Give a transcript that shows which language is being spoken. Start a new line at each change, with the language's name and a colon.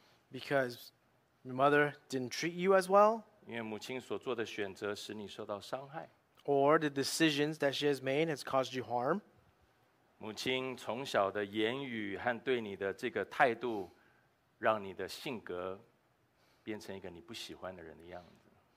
English: Because your mother didn't treat you as well.
Chinese: 因为母亲所做的选择使你受到伤害。
English: Or the decisions that she has made has caused you harm.
Chinese: 母亲从小的言语和对你的这个态度，让你的性格变成一个你不喜欢的人的样子。